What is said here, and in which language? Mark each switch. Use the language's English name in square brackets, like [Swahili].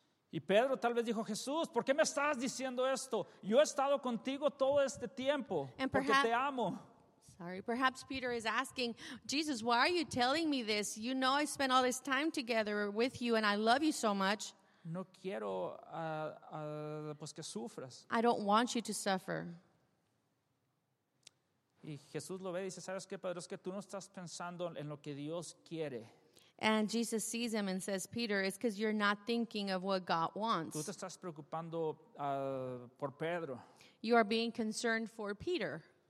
[Spanish] Y Pedro tal vez dijo, Jesús, ¿por qué me estás diciendo esto? Yo he estado contigo todo este tiempo, porque te amo. [English] Sorry, perhaps Peter is asking, Jesus, why are you telling me this? You know I spent all this time together with you and I love you so much. [Spanish] No quiero pues que sufras. [English] I don't want you to suffer. [Spanish] Y Jesús lo ve y dice, ¿sabes qué, Pedro? Es que tú no estás pensando en lo que Dios quiere. [English] And Jesus sees him and says, Peter, it's because you're not thinking of what God wants. [Spanish] Tú te estás preocupando, por Pedro. [English] You are being concerned for Peter.